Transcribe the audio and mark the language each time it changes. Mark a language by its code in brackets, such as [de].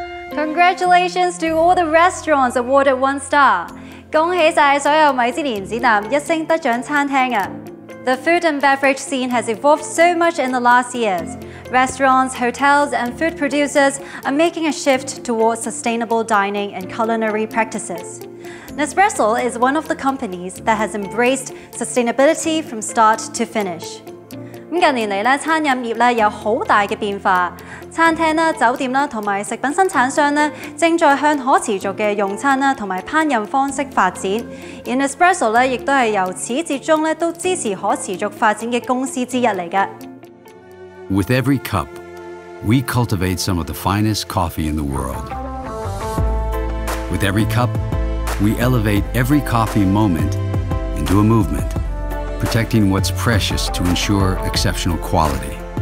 [en] Congratulations to all the restaurants awarded one star. [yue] 恭喜曬所有米芝蓮指南一星得獎餐廳啊。 [en] The food and beverage scene has evolved so much in the last years. Restaurants, hotels, and food producers are making a shift towards sustainable dining and culinary practices. Nespresso is one of the companies that has embraced sustainability from start to finish. [yue] 近年來餐飲業有很大的變化，餐廳、酒店和食品生產商正在向可持續的用餐和烹飪方式發展，而 Nespresso 亦是由始至終都支持可持續發展的公司之一。 [en] With every cup, we cultivate some of the finest coffee in the world. With every cup, we elevate every coffee moment into a movement. Protecting what's precious to ensure exceptional quality.